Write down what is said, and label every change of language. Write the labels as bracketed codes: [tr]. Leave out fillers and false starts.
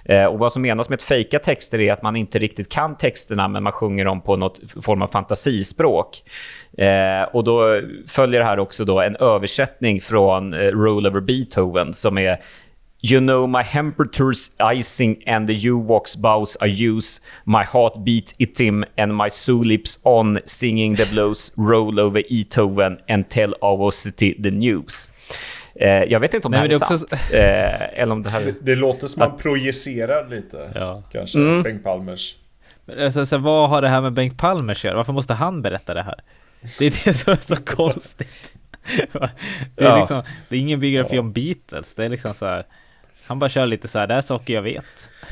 [sv] Och vad som menas med att fejka texter är att man inte riktigt kan texterna, men man sjunger dem på något form av fantasispråk. Och då följer här också då en översättning från Roll Over Beethoven som är: [en] "You know my temperature's icing and the U-box bows I use. My heart beat it him and my soul lips on singing the blues. Roll over Beethoven and tell our city the news." [sv] Jag vet inte om det här är också sant. Eller om det, här... det låter som att man projicerar lite, ja. Kanske, mm. Bengt Palmers. Men, alltså, vad har det här med Bengt Palmers att göra? Varför måste han berätta det här? Det är det som är så konstigt. Det är, ja. Liksom, det är ingen biografi, ja. Om Beatles. Det är liksom så här. Han bara kör lite så här, det är saker jag vet.